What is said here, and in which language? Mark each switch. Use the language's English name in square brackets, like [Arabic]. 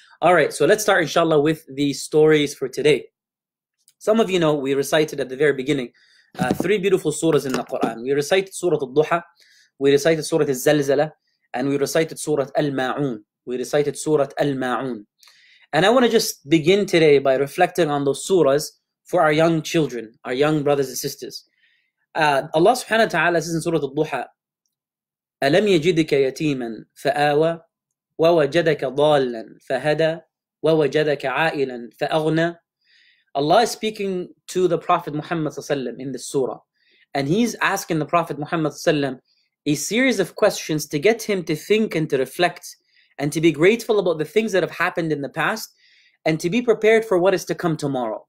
[English] All right, so let's start, inshallah, with the stories for today. Some of you know, we recited at the very beginning, three beautiful surahs in the Quran. We recited Surah Al-Duha, we recited Surah Al-Zalzala, and we recited Surah Al-Ma'un. We recited Surah Al-Ma'un. And I want to just begin today by reflecting on those surahs for our young children, our young brothers and sisters. Allah subhanahu wa ta'ala says in Surah Al-Duha, [Arabic] أَلَمْ يَجِدْكَ يَتِيمًا فَآوَى وَوَجَدَكَ ضَالًا فَهَدَى وَوَجَدَكَ عَائِلًا فَأَغْنَى. [English] Allah is speaking to the Prophet Muhammad ﷺ in this surah. And he's asking the Prophet Muhammad ﷺ a series of questions to get him to think and to reflect and to be grateful about the things that have happened in the past and to be prepared for what is to come tomorrow.